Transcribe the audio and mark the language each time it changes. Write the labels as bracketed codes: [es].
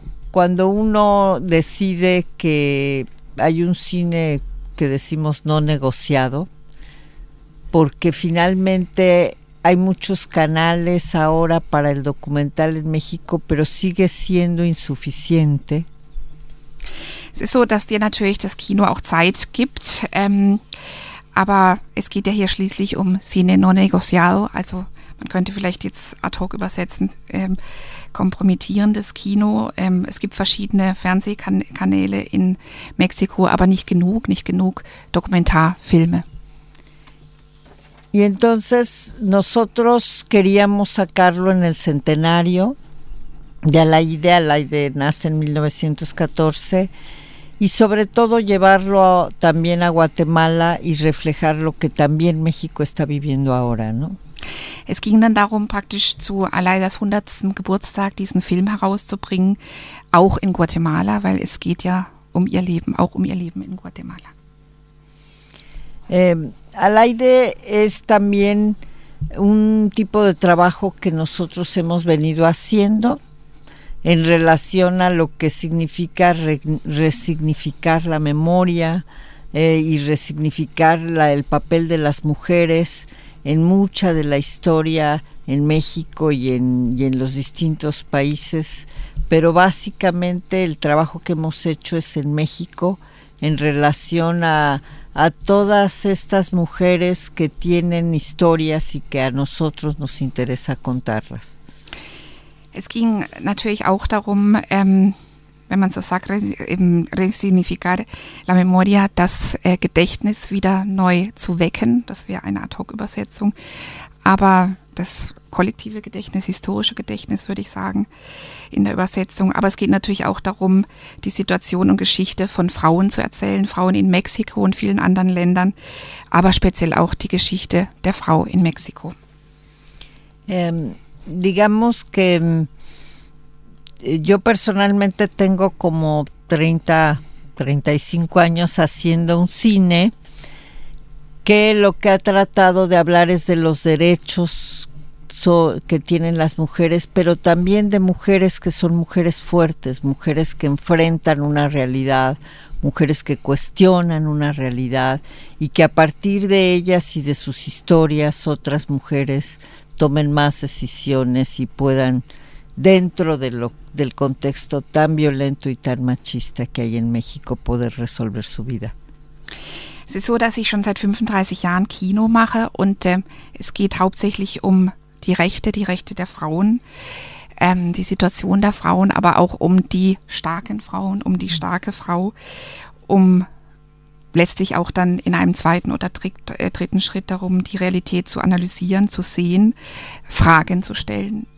[es] Cuando uno decide que hay un cine que decimos no negociado, porque finalmente hay muchos canales ahora para el documental en México, pero sigue siendo insuficiente. [de] Es ist so, dass dir natürlich das Kino auch Zeit gibt, aber es geht ja hier schließlich um [es] cine no negociado, [de] also man könnte vielleicht jetzt ad hoc übersetzen, kompromittierendes Kino. Es gibt verschiedene Fernsehkanäle in Mexiko, aber nicht genug Dokumentarfilme. [es] Y entonces nosotros queríamos sacarlo en el centenario de Alaide. Alaide nace en 1914 y sobre todo llevarlo también a Guatemala y reflejar lo que también México está viviendo ahora, ¿no? [de] Es ging dann darum, praktisch zu Alaidas 100. Geburtstag diesen Film herauszubringen, auch in Guatemala, weil es geht ja um ihr Leben, auch um ihr Leben in Guatemala. [es] Alaide es también un tipo de trabajo que nosotros hemos venido haciendo en relación a lo que significa resignificar la memoria y resignificar el papel de las mujeres en mucha de la historia en México y en los distintos países, pero básicamente el trabajo que hemos hecho es en México en relación a todas estas mujeres que tienen historias y que a nosotros nos interesa contarlas. [de] Es ging natürlich auch darum, wenn man so sagt, [es] resignificar la memoria, [de] das Gedächtnis wieder neu zu wecken. Das wäre eine Ad-hoc-Übersetzung. Aber das kollektive Gedächtnis, historische Gedächtnis, würde ich sagen, in der Übersetzung. Aber es geht natürlich auch darum, die Situation und Geschichte von Frauen zu erzählen. Frauen in Mexiko und vielen anderen Ländern. Aber speziell auch die Geschichte der Frau in Mexiko. [es] Digamos que yo personalmente tengo como 30, 35 años haciendo un cine que lo que ha tratado de hablar es de los derechos que tienen las mujeres, pero también de mujeres que son mujeres fuertes, mujeres que enfrentan una realidad, mujeres que cuestionan una realidad y que a partir de ellas y de sus historias otras mujeres tomen más decisiones y puedan dentro del contexto tan violento y tan machista que hay en México poder resolver su vida. [de] Es ist so, dass ich schon seit 35 Jahren Kino mache und es geht hauptsächlich um die Rechte der Frauen, die Situation der Frauen, aber auch um die starken Frauen, um die starke Frau, um letztlich auch dann in einem zweiten oder dritten Schritt darum, die Realität zu analysieren, zu sehen, Fragen zu stellen,